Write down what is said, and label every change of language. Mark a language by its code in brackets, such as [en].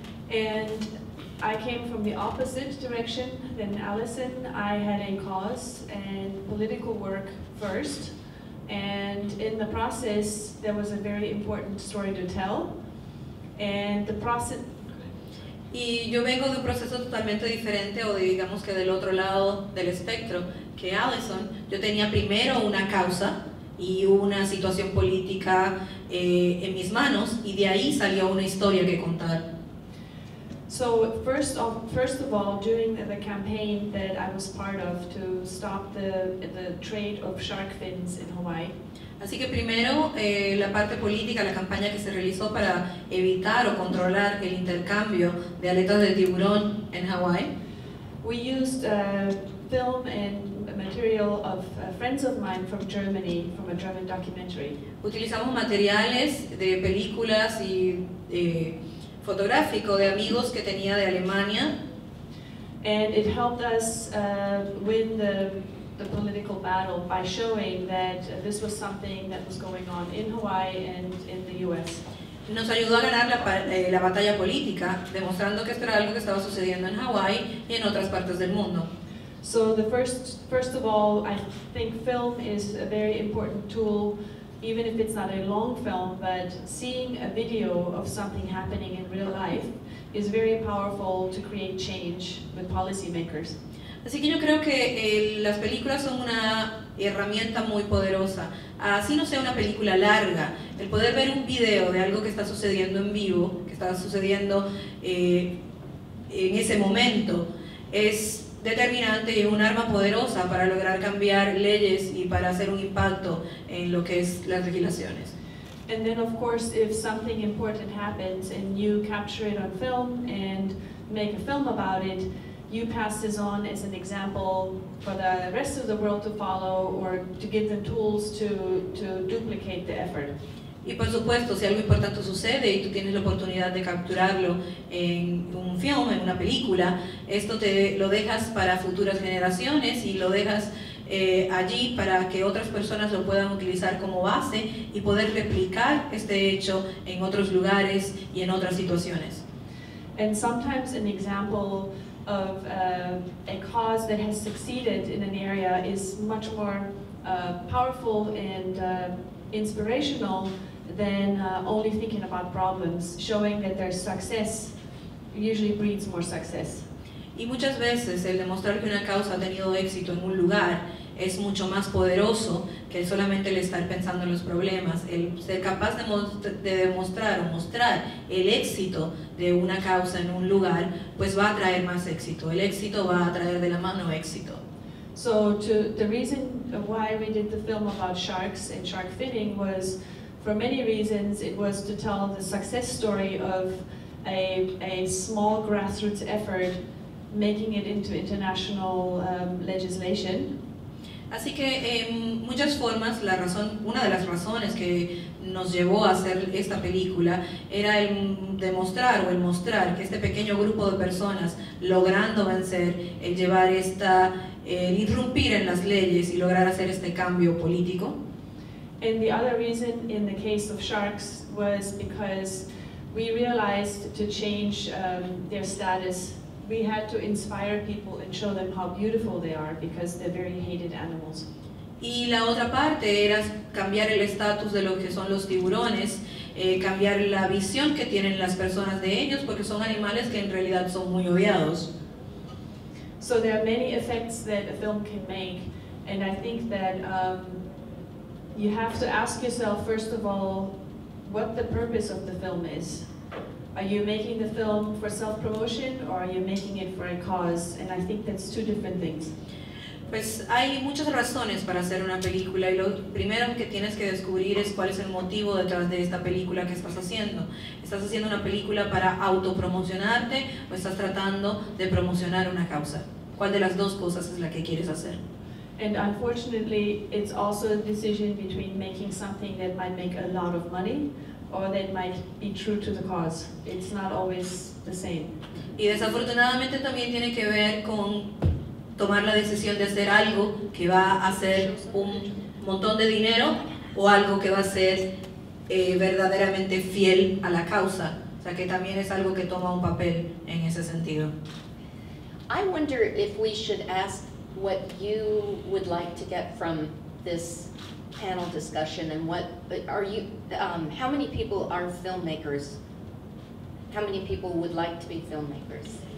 [en] And I came from the opposite direction than Allison. I had a cause and political work first. And in the process, there was a very important story to tell. And the process... [es] Y yo vengo de un proceso totalmente diferente, o digamos que del otro lado del espectro, que Allison. Yo tenía primero una causa y una situación política en mis manos, y de ahí salió una historia que contar. [en] So first of all, during the campaign that I was part of to stop the trade of shark fins in Hawaii. [es] Así que primero la parte política, la campaña que se realizó para evitar o controlar el intercambio de aletas de tiburón en Hawaii. [en] We used film and material of friends of mine from Germany, from a German documentary. [es] Utilizamos materiales de películas y fotográfico de amigos que tenía de Alemania. [en] And it helped us win the political battle by showing that this was something that was going on in Hawaii and in the US. [es] Nos ayudó a ganar la batalla política, demostrando que esto era algo que estaba sucediendo en Hawaii y en otras partes del mundo. [en] So the first of all, I think film is a very important tool. Even if it's not a long film, but seeing a video of something happening in real life is very powerful to create change with policymakers. [es] Así que yo creo que las películas son una herramienta muy poderosa. Así no sea una película larga, el poder ver un video de algo que está sucediendo en vivo, que está sucediendo en ese momento, es determinante y un arma poderosa para lograr cambiar leyes y para hacer un impacto en lo que es las legislaciones. [en] And then of course if something important happens and you capture it on film and make a film about it, you pass this on as an example for the rest of the world to follow or to give them tools to duplicate the effort. [es] Y por supuesto, si algo importante sucede y tú tienes la oportunidad de capturarlo en un film, en una película, esto te lo dejas para futuras generaciones y lo dejas allí para que otras personas lo puedan utilizar como base y poder replicar este hecho en otros lugares y en otras situaciones. [en] And sometimes an example of a cause that has succeeded in an area is much more powerful and inspirational than only thinking about problems, showing that there's success usually breeds more success. [es] Y muchas veces el demostrar que una causa ha tenido éxito en un lugar es mucho más poderoso que solamente el estar pensando en los problemas. El ser capaz de demostrar o mostrar el éxito de una causa en un lugar, pues va a traer más éxito. El éxito va a traer de la mano éxito. [en] So to the reason why we did the film about sharks and shark fitting was for many reasons. It was to tell the success story of a small grassroots effort making it into international legislation. [es] Así que en muchas formas, la razón, una de las razones que nos llevó a hacer esta película era el demostrar o el mostrar que este pequeño grupo de personas logrando vencer, el llevar esta, el irrumpir en las leyes y lograr hacer este cambio político. [en] And the other reason in the case of sharks was because we realized to change their status, we had to inspire people and show them how beautiful they are because they're very hated animals. [es] Y la otra parte era cambiar el estatus de lo que son los tiburones, cambiar la visión que tienen las personas de ellos porque son animales que en realidad son muy odiados. [en] So there are many effects that a film can make, and I think that you have to ask yourself first of all what the purpose of the film is. Are you making the film for self-promotion or are you making it for a cause? And I think that's two different things. [es] Pues hay muchas razones para hacer una película y lo primero que tienes que descubrir es cuál es el motivo detrás de esta película que estás haciendo. ¿Estás haciendo una película para autopromocionarte o estás tratando de promocionar una causa? ¿Cuál de las dos cosas es la que quieres hacer? [en] And unfortunately, it's also a decision between making something that might make a lot of money or that might be true to the cause. It's not always the same. [es] Y desafortunadamente también tiene que ver con tomar la decisión de hacer algo que va a hacer un montón de dinero o algo que va a ser verdaderamente fiel a la causa. O sea, que también es algo que toma un papel en ese sentido. [en] I wonder if we should ask what you would like to get from this panel discussion, and what are you, how many people are filmmakers? How many people would like to be filmmakers?